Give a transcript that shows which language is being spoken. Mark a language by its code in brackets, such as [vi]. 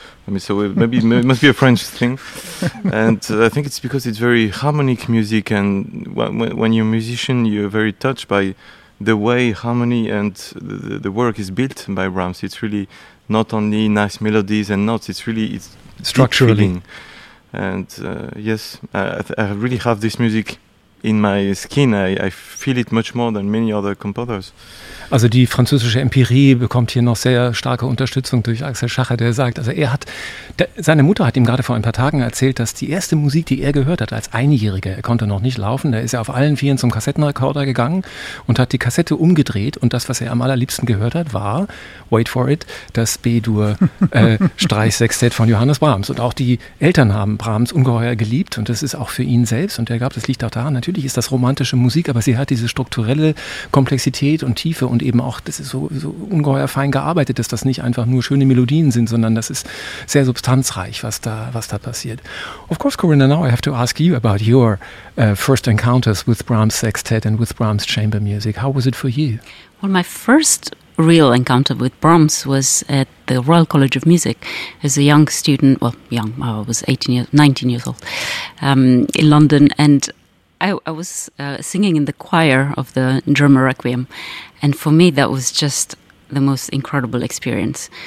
[en] I mean, so maybe it must be a French thing. And I think it's because it's very harmonic music, and when you're a musician, you're very touched by the way harmony and the work is built by Brahms. It's really not only nice melodies and notes, it's structurally. And I really have this music in my skin. I feel it much more than many other composers. [de] Also die französische Empirie bekommt hier noch sehr starke Unterstützung durch Axel Schacher, der sagt, also seine Mutter hat ihm gerade vor ein paar Tagen erzählt, dass die erste Musik, die er gehört hat als Einjähriger, er konnte noch nicht laufen, da ist er auf allen Vieren zum Kassettenrekorder gegangen und hat die Kassette umgedreht und das, was er am allerliebsten gehört hat, war, [en] wait for it, [de] das B-Dur Streichsextett von Johannes Brahms. Und auch die Eltern haben Brahms ungeheuer geliebt und das ist auch für ihn selbst und er glaubt, das liegt auch daran, natürlich ist das romantische Musik, aber sie hat diese strukturelle Komplexität und Tiefe und eben auch, das ist so ungeheuer fein gearbeitet, dass das nicht einfach nur schöne Melodien sind, sondern das ist sehr substanzreich, was da passiert. [en] Of course, Corinna, now I have to ask you about your first encounters with Brahms Sextet and with Brahms Chamber Music. How was it for you? Well, my first real encounter with Brahms was at the Royal College of Music as a young student, I was 19 years old, in London, and I was singing in the choir of the German Requiem, and for me that was just the most incredible experience.